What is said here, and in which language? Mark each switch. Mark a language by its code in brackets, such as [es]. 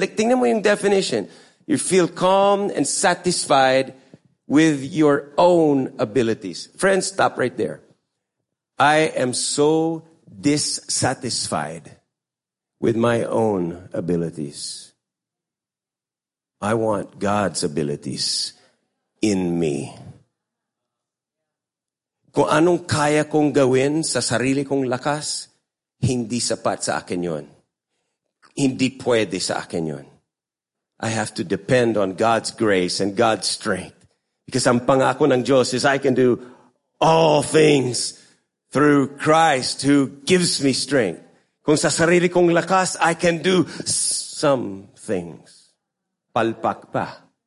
[tl] Like, tingnan mo yung definition. [en] You feel calm and satisfied with your own abilities. Friends, stop right there. I am so dissatisfied with my own abilities. I want God's abilities in me. [tl] Kung anong kaya kong gawin sa sarili kong lakas, hindi sapat sa akin yun. Hindi pwede sa akin yun. [en] I have to depend on God's grace and God's strength. Because [tl] ang pangako ng Diyos [en] is I can do all things through Christ who gives me strength. [tl] Kung sa sarili kong lakas, [en] I can do some things. [tl] Palpak pa.